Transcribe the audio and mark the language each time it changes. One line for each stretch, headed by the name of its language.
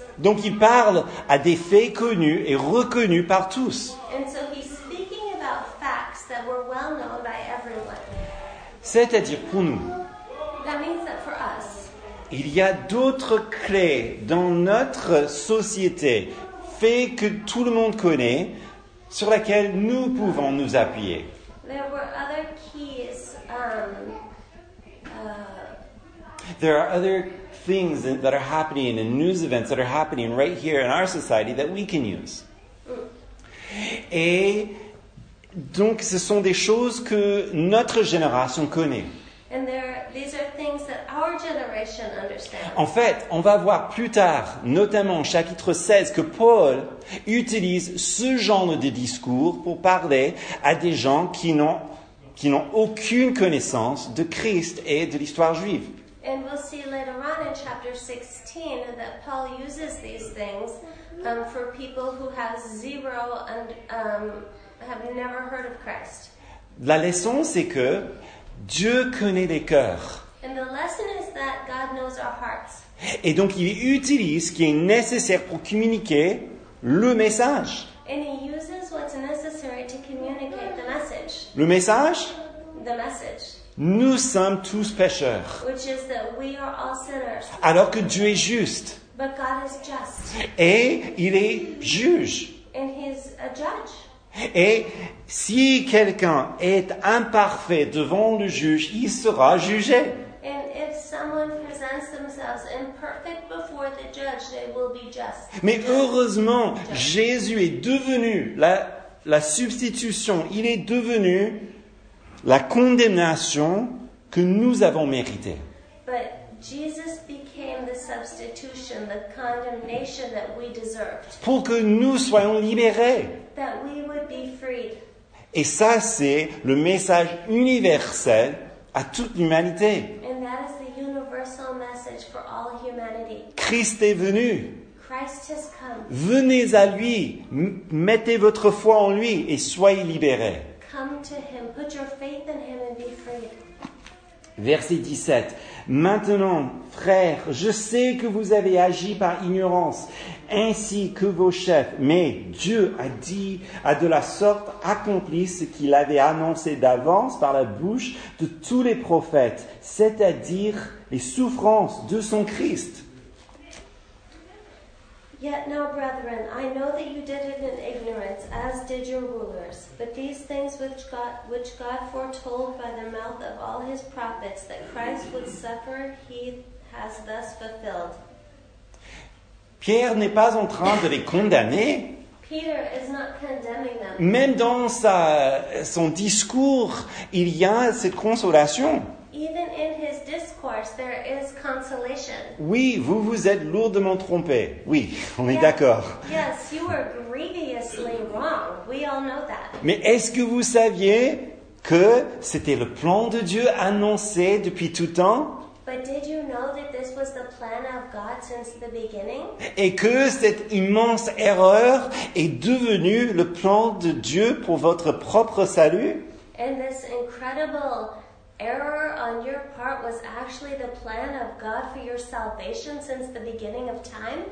French: Donc il parle à des faits connus et reconnus par tous.
English: And so he's speaking about facts that were well known by everyone.
French: C'est-à-dire pour nous.
English: That means that for us.
French: Il y a d'autres clés dans notre société, faits que tout le monde connaît, sur lesquels nous pouvons nous appuyer.
English: There were other keys, there are other things that are happening and news events that are happening right here in our society that we can use.
French: Et donc ce sont des choses que notre génération connaît.
English: And these are things that our generation understands.
French: En fait, on va voir plus tard, notamment au chapitre 16, que Paul utilise ce genre de discours pour parler à des gens qui n'ont aucune connaissance de Christ et de l'histoire juive.
English: And we'll see later on in chapter 16 that Paul uses these things for people who have zero and have never heard of Christ.
French: La leçon, c'est que Dieu connaît les cœurs.
English: And the lesson is that God knows our hearts.
French: Et donc, il utilise ce qui est nécessaire pour communiquer le message.
English: And he uses what's necessary to communicate the message.
French: Le message?
English: The message.
French: Nous sommes tous pécheurs.
English: Which is that we are all sinners.
French: Alors que Dieu est juste.
English: But God is just.
French: Et il est juge.
English: And he's a judge.
French: Et si quelqu'un est imparfait devant le juge, il sera jugé.
English: And if someone presents themselves imperfect before the judge, they will be just.
French: Mais heureusement, Jésus est devenu la substitution. Il est devenu la condamnation que nous avons méritée.
English: But Jesus became the substitution, the condemnation that we deserved.
French: Pour que nous soyons libérés.
English: That we would be freed.
French: Et ça, c'est le message universel à toute l'humanité.
English: And that is the universal message for all humanity.
French: Christ est venu.
English: Christ has come.
French: Venez à lui, mettez votre foi en lui et soyez libérés.
English: Come to him, put your faith in him and be freed.
French: Verset 17. Maintenant, frères, je sais que vous avez agi par ignorance, ainsi que vos chefs, mais Dieu a de la sorte accompli ce qu'il avait annoncé d'avance par la bouche de tous les prophètes, c'est-à-dire les souffrances de son Christ.
English: Yet now, brethren, I know that you did it in ignorance, as did your rulers. But these things which God foretold by the mouth of all his prophets that Christ would suffer, he has thus fulfilled.
French: Pierre n'est pas en train de les condamner.
English: Peter is not condemning them.
French: Même dans son discours, il y a cette consolation.
English: Even in his discourse, there is consolation.
French: Oui, vous vous êtes lourdement trompé. Oui, on est d'accord.
English: Yes, you were grievously wrong. We all know that.
French: Mais est-ce que vous saviez que c'était le plan de Dieu annoncé depuis tout temps?
English: But did you know that this was the plan of God since the beginning?
French: Et que cette immense erreur est devenue le plan de Dieu pour votre propre salut?
English: And this incredible error on your part was actually the plan of God for your salvation since the beginning of time?